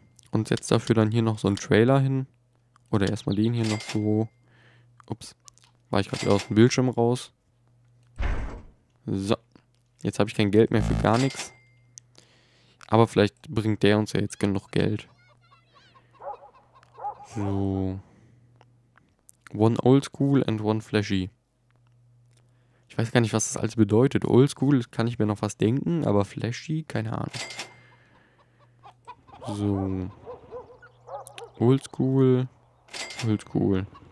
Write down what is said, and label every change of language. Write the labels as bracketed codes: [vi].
[de] Und setze dafür dann hier noch so einen Trailer hin. Oder erstmal den hier noch so. Ups. War ich gerade aus dem Bildschirm raus. So. Jetzt habe ich kein Geld mehr für gar nichts. Aber vielleicht bringt der uns ja jetzt genug Geld. So. [en] One old school and one flashy. [de] Ich weiß gar nicht, was das alles bedeutet. Old school kann ich mir noch was denken, aber flashy, keine Ahnung. [en] So. Old school. Old school.